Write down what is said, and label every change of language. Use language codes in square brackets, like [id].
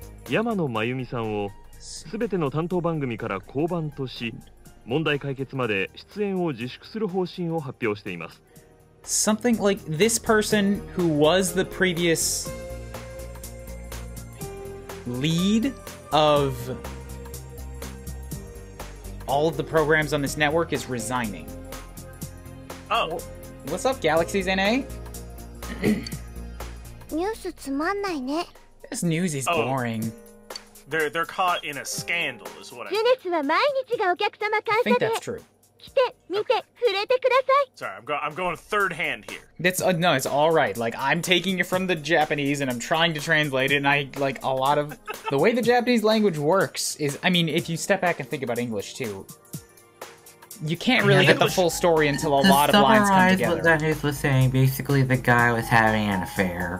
[ja] 山野真由美さんをすべての担当番組から降板とし、問題解決まで出演を自粛する方針を発表しています。 [en] Something like this person who was the previous lead of all of the programs on this network is resigning. Oh. What's up, Galaxy's NA? News is boring. This news is boring. They're caught in a scandal, is what I [ja] mean. Junetsu は毎日がお客様感謝で。 [en] I think that's true. [ja] 来て、見て、触れてください。 [en] Sorry, I'm going third hand here. No, it's all right. Like, I'm taking it from the Japanese and I'm trying to translate it, and I like a lot of. The way the Japanese language works is, I mean, if you step back and think about English too. You can't really get the full story until a lot of lines come together. To summarize what that news was saying, basically the guy was having an affair.